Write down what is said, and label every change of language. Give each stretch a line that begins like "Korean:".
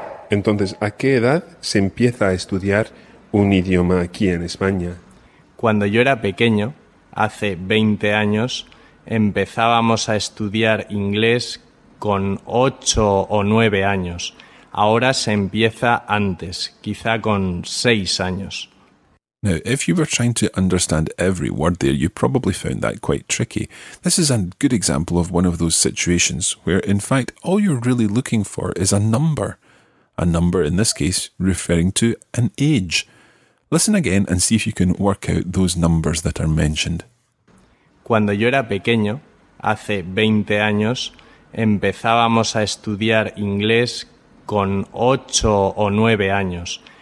Spanish: Entonces, ¿a qué edad se empieza a estudiar un idioma aquí en España? Cuando yo era pequeño, hace 20 años, empezábamos a estudiar inglés con 8 o 9 años. Ahora se empieza antes, quizá con 6 años.
English: Now, if you were trying to understand every word there, you probably found that quite tricky. This is a good example of one of those situations where, in fact, all you're really looking for is a number. A number, in this case, referring to an age. Listen again and see if you can work out those numbers that are mentioned.
Spanish: Cuando yo era pequeño, hace 20 años, empezábamos a estudiar inglés con 8 o 9 años.